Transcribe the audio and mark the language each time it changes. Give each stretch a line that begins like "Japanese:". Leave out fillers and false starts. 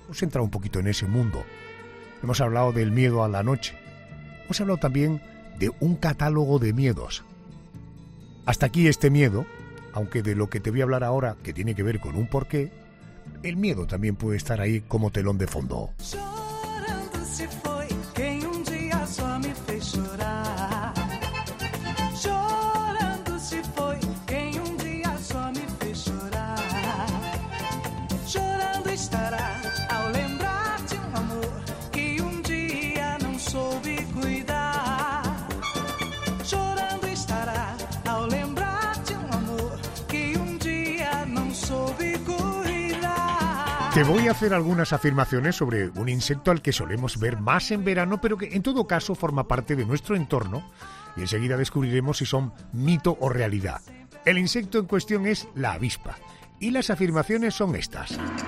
Spanish: Hemos entrado un poquito en ese mundo. Hemos hablado del miedo a la noche. Hemos hablado también de un catálogo de miedos. Hasta aquí este miedo, aunque de lo que te voy a hablar ahora, que tiene que ver con un porqué, el miedo también puede estar ahí como telón de fondo.
Portuguese: Chorando se foi quem día só me fez chorar. Chorando se foi quem día só me fez chorar. Chorando estará ao lembrar de amor que día não soube cuidar. Chorando estará ao lembrar de amor que día não soube cuidar.
Spanish: Te voy a hacer algunas afirmaciones sobre un insecto al que solemos ver más en verano, pero que en todo caso forma parte de nuestro entorno y enseguida descubriremos si son mito o realidad. El insecto en cuestión es la avispa y las afirmaciones son estas.